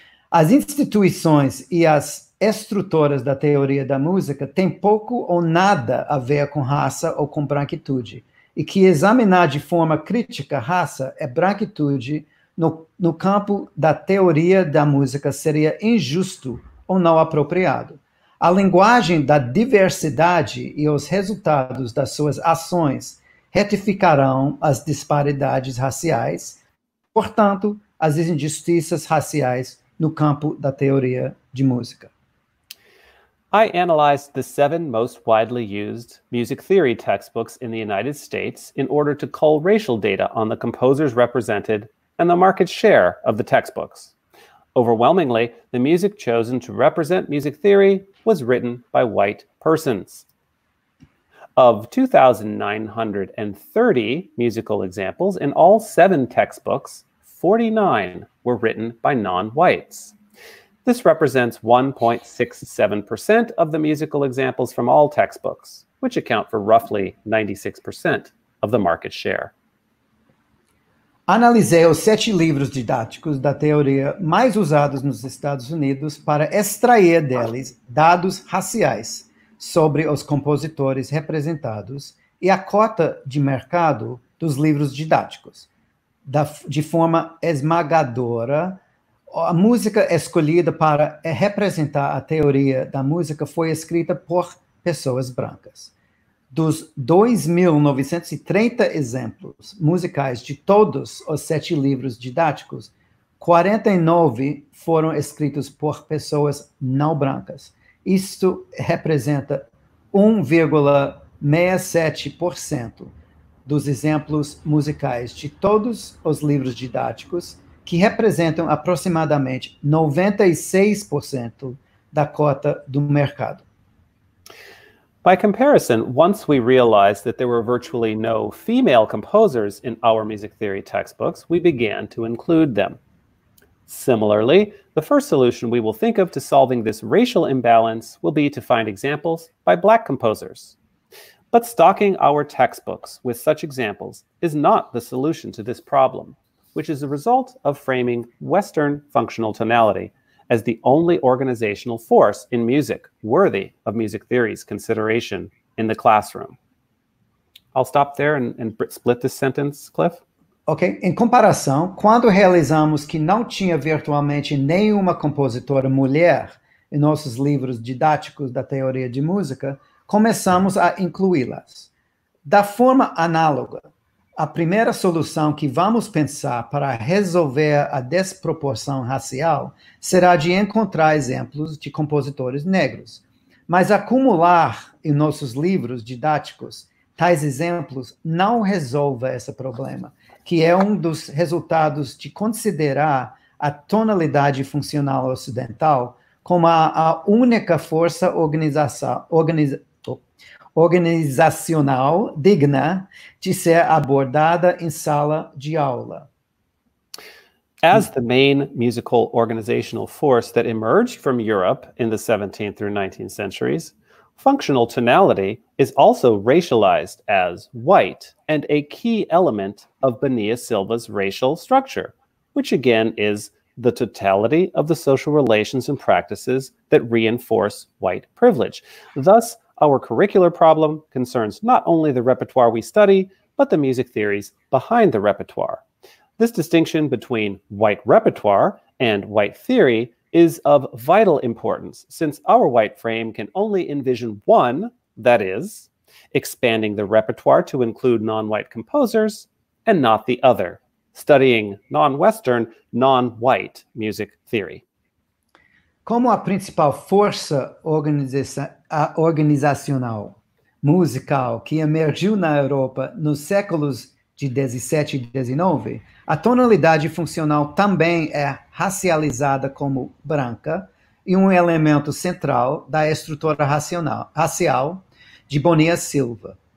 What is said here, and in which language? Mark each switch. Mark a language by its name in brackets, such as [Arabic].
[Portuguese] As instituições e as estruturas da teoria da música têm pouco ou nada a ver com raça ou com branquitude, e que examinar de forma crítica raça e branquitude no campo da teoria da música seria injusto ou não apropriado. A linguagem da diversidade e os resultados das suas ações retificarão as disparidades raciais, portanto, as injustiças raciais no campo da teoria de música. [English] I analyzed the 7 most widely used music theory textbooks in the United States in order to cull racial data on the composers represented and the market share of the textbooks. Overwhelmingly, the music chosen to represent music theory was written by white persons. Of 2,930 musical examples in all 7 textbooks, 49 were written by non-whites. This represents 1.67% of the musical examples from all textbooks, which account for roughly 96% of the market share. Analisei os 7 livros didáticos da teoria mais usados nos Estados Unidos para extrair deles dados raciais sobre os compositores representados e a cota de mercado dos livros didáticos. De forma esmagadora, a música escolhida para representar a teoria da música foi escrita por pessoas brancas. Dos 2.930 exemplos musicais de todos os 7 livros didáticos, 49 foram escritos por pessoas não brancas. Isto representa 1,67% dos exemplos musicais de todos os livros didáticos, que representam aproximadamente 96% da cota do mercado. By comparison, once we realized that there were virtually no female composers in our music theory textbooks, we began to include them. Similarly, the first solution we will think of to solving this racial imbalance will be to find examples by Black composers. But stocking our textbooks with such examples is not the solution to this problem, which is a result of framing Western functional tonality as the only organizational force in music worthy of music theory's consideration in the classroom. I'll stop there and split this sentence, Cliff. Ok. [Portuguese] Em comparação, quando realizamos que não tinha virtualmente nenhuma compositora mulher em nossos livros didáticos da teoria de música, começamos a incluí-las. Da forma análoga, a primeira solução que vamos pensar para resolver a desproporção racial será de encontrar exemplos de compositores negros. Mas acumular em nossos livros didáticos tais exemplos não resolve esse problema, que é um dos resultados de considerar a tonalidade funcional ocidental como a única força organizacional digna de ser abordada em sala de aula. [English] As the main musical organizational force that emerged from Europe in the 17th through 19th centuries, functional tonality is also racialized as white and a key element of Bonilla Silva's racial structure, which again is the totality of the social relations and practices that reinforce white privilege. Thus, our curricular problem concerns not only the repertoire we study, but the music theories behind the repertoire. This distinction between white repertoire and white theory is of vital importance, since our white frame can only envision one, that is, expanding the repertoire to include non-white composers, and not the other, studying non-Western, non-white music theory. [Portuguese] Como a principal força organizacional musical que emergiu na Europa nos séculos de 17 e 19, a tonalidade funcional também é racializada como branca e um elemento central da estrutura racial de Bonilla Silva,